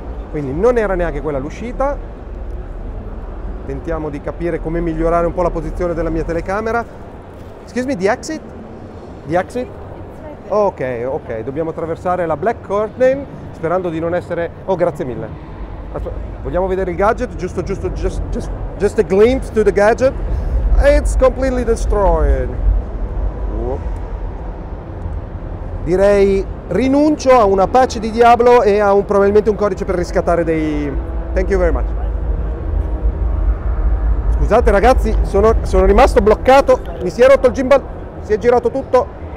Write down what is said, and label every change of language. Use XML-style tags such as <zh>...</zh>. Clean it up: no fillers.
<it>Quindi non era neanche quella l'uscita. Tentiamo di capire come migliorare un po' la posizione della mia telecamera.</it> <en>Excuse me, the exit?</en> <it>Ok, dobbiamo attraversare la Black Curtain, sperando di non essere... Oh, grazie mille. Vogliamo vedere il gadget?</it> <en>Just a glimpse to the gadget. It's completely destroyed.</en> <it>Direi rinuncio a una patch di Diablo e a probabilmente un codice per riscattare dei...</it> <en>Thank you very much.</en> <it>Scusate ragazzi, sono rimasto bloccato, mi si è rotto il gimbal, si è girato tutto.</it>